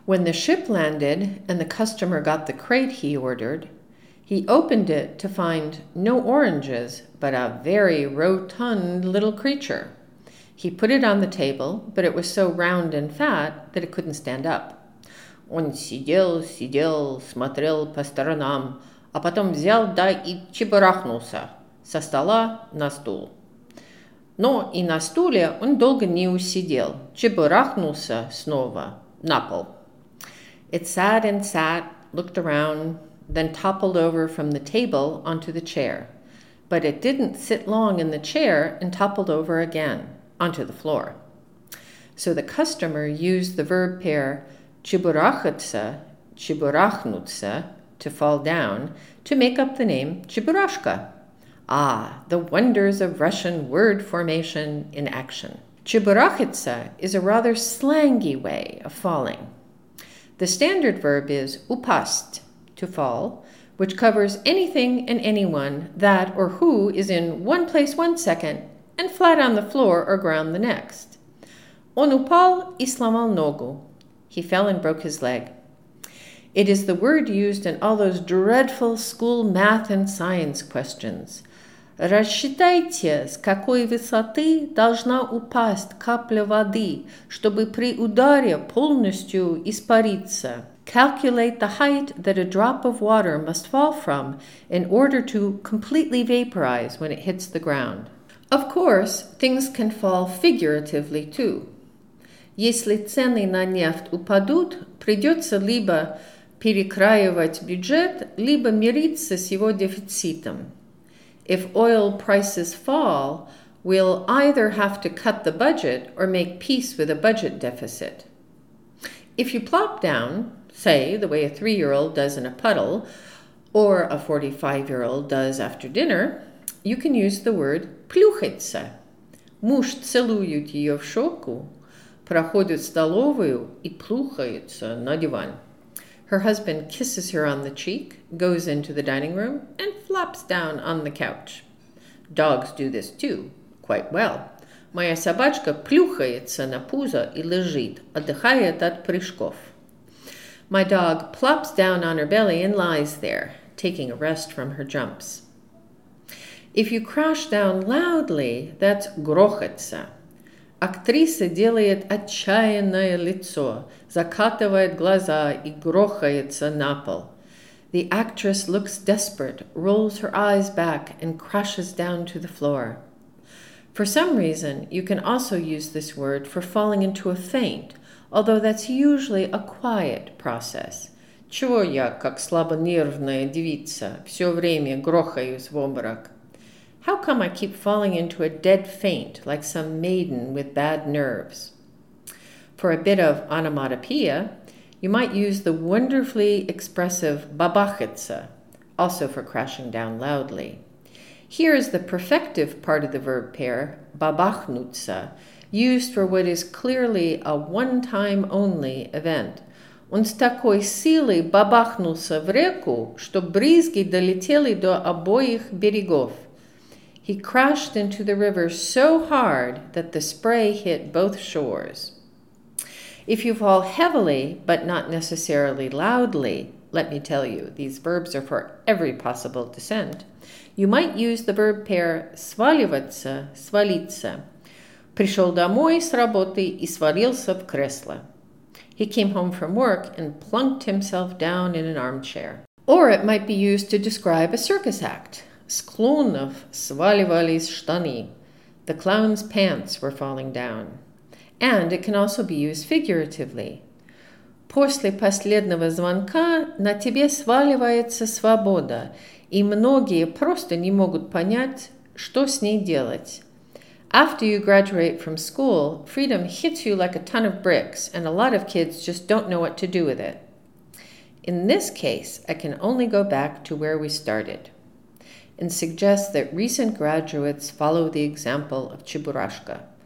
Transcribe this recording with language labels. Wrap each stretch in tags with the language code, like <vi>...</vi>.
<en>When the ship landed and the customer got the crate he ordered, he opened it to find no oranges, but a very rotund little creature. He put it on the table, but it was so round and fat that it couldn't stand up.</en> <ru>Он сидел, смотрел по сторонам, а потом взял да и чебурахнулся со стола на стул. Но и на стуле он долго не усидел, чебурахнулся снова на пол.</ru> <en>It sat and sat, looked around, then toppled over from the table onto the chair. But it didn't sit long in the chair and toppled over again onto the floor. So the customer used the verb pair чебурахаться, чебурахнуться, to fall down, to make up the name Chuburashka. Ah, the wonders of Russian word formation in action. Чебурахиться is a rather slangy way of falling. The standard verb is упасть, to fall, which covers anything and anyone that or who is in one place one second and flat on the floor or ground the next.</en> <ru>Он упал и сломал ногу.</ru> <en>He fell and broke his leg. It is the word used in all those dreadful school math and science questions.</en> <ru>Рассчитайте, с какой высоты должна упасть капля воды, чтобы при ударе полностью испариться.</ru> <en>Calculate the height that a drop of water must fall from in order to completely vaporize when it hits the ground. Of course, things can fall figuratively too.</en> <ru>Если цены на нефть упадут, придется либо перекраивать бюджет, либо мириться с его дефицитом.</ru> <en>If oil prices fall, we'll either have to cut the budget or make peace with a budget deficit. If you plop down, say, the way a 3-year-old does in a puddle, or a 45-year-old does after dinner, you can use the word плюхаться.</en> <ru>Муж целует ее в щеку, проходит столовую и плюхается на диван.</ru> <en>Her husband kisses her on the cheek, goes into the dining room, and flops down on the couch. Dogs do this too, quite well.</en> <ru>Моя собачка плюхается на пузо и лежит, отдыхает от прыжков.</ru> <en>My dog plops down on her belly and lies there, taking a rest from her jumps. If you crash down loudly, that's грохаться.</en> <ru>Актриса делает отчаянное лицо, закатывает глаза и грохается на пол.</ru> <en>The actress looks desperate, rolls her eyes back, and crashes down to the floor. For some reason, you can also use this word for falling into a faint, although that's usually a quiet process.</en> <ru>Чего я, как слабонервная девица, все время грохаюсь в обморок?</ru> <en>How come I keep falling into a dead faint like some maiden with bad nerves? For a bit of onomatopoeia, you might use the wonderfully expressive бабахаться, also for crashing down loudly. Here is the perfective part of the verb pair, бабахнуться, used for what is clearly a one-time-only event.</en> <ru>Он с такой силой бабахнулся в реку, что брызги долетели до обоих берегов.</ru> <en>He crashed into the river so hard that the spray hit both shores. If you fall heavily, but not necessarily loudly, let me tell you, these verbs are for every possible descent, you might use the verb pair сваливаться, свалиться.</en> <ru>Пришел домой с работы и свалился в кресло.</ru> <en>He came home from work and plunked himself down in an armchair. Or it might be used to describe a circus act.</en> <ru>Склонов сваливались штаны.</ru> <en>The clown's pants were falling down. And it can also be used figuratively.</en> <ru>После последнего звонка на тебе сваливается свобода, и многие просто не могут понять, что с ней делать.</ru> <en>After you graduate from school, freedom hits you like a ton of bricks, and a lot of kids just don't know what to do with it. In this case, I can only go back to where we started and suggest that recent graduates follow the example of Чебурашка.</en>